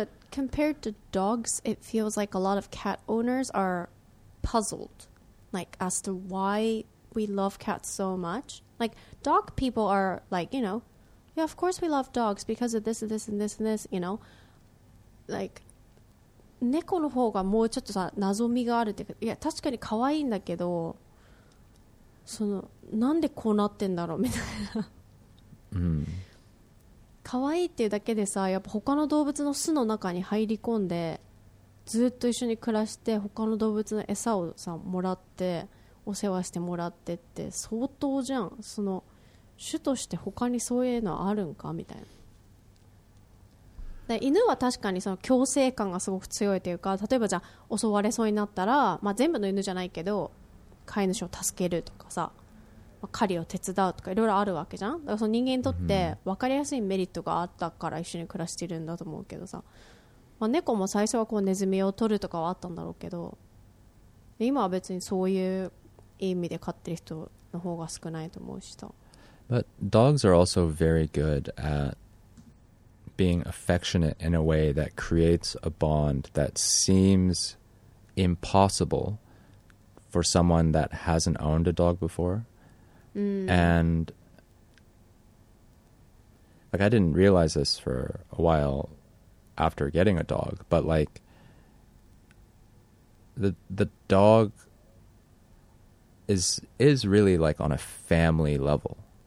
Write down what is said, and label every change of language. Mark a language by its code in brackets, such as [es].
[en] Compared to dogs, it feels like a lot of cat owners are puzzled, like as to why we love cats so much. Like dog people are like, you know, yeah, of course we love dogs because of this and this and this and this, you know. [ja] Like, 猫の方がもうちょっとさ謎みがあるっていうか、いや確かに可愛いんだけど、そのなんでこうなってんだろうみたいな。可愛いっていうだけでさ、やっぱ他の動物の巣の中に入り込んでずっと一緒に暮らして、他の動物の餌をさもらってお世話してもらってって相当じゃん。その種として他にそういうのはあるんかみたいな。で犬は確かにその強制感がすごく強いというか、例えばじゃあ襲われそうになったら、まあ、全部の犬じゃないけど飼い主を助けるとかさ、まあ、狩りを手伝うとかいろいろあるわけじゃん。だからその人間にとって分かりやすいメリットがあったから一緒に暮らしてるんだと思うけどさ、まあ、猫も最初はこうネズミを取るとかはあったんだろうけど、今は別にそういう意味で飼ってる人の方が少ないと思うしさ。 [en] But dogs are also very good at being affectionate in a way that creates a bond that seems impossible for someone that hasn't owned a dog before. And like, I didn't realize this for a while after getting a dog, but like the dog is really like on a family level.